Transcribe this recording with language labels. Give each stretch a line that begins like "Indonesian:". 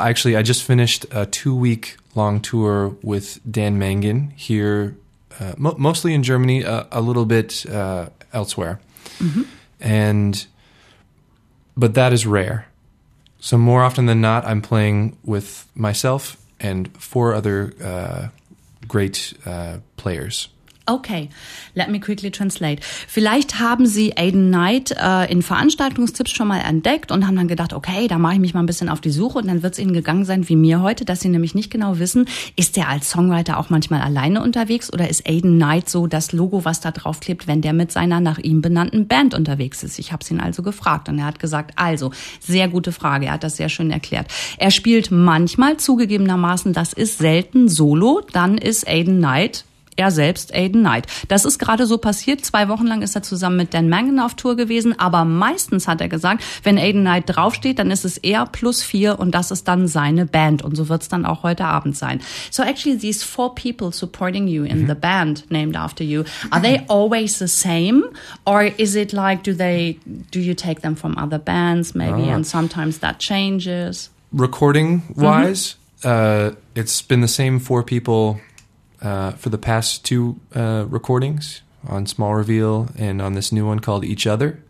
English: Actually, I just finished a 2-week long tour with Dan Mangan here, mostly in Germany, a little bit elsewhere. But that is rare. So more often than not, I'm playing with myself and 4 other great players. Okay, let me quickly translate.
German: Vielleicht haben Sie Aidan Knight in Veranstaltungstipps schon mal entdeckt und haben dann gedacht, okay, da mache ich mich mal ein bisschen auf die Suche. Und dann wird es Ihnen gegangen sein wie mir heute, dass Sie nämlich nicht genau wissen, ist der als Songwriter auch manchmal alleine unterwegs oder ist Aidan Knight so das Logo, was da draufklebt, wenn der mit seiner nach ihm benannten Band unterwegs ist? Ich habe es ihn also gefragt und er hat gesagt, also, sehr gute Frage, er hat das sehr schön erklärt. Er spielt manchmal, zugegebenermaßen, das ist selten, solo, dann ist Aidan Knight er selbst, Aidan Knight. Das ist gerade so passiert. 2 Wochen lang ist er zusammen mit Dan Mangan auf Tour gewesen. Aber meistens hat er gesagt, wenn Aidan Knight draufsteht, dann ist es er plus 4 und das ist dann seine Band. Und so wird es dann auch heute Abend sein.
English: So actually, these 4 people supporting you in the band named after you, are they always the same? Or is it like, do you take them from other bands maybe? And sometimes that changes? Recording-wise, it's been the same 4 people for the past 2 recordings on Small Reveal and on this new one called Each Other.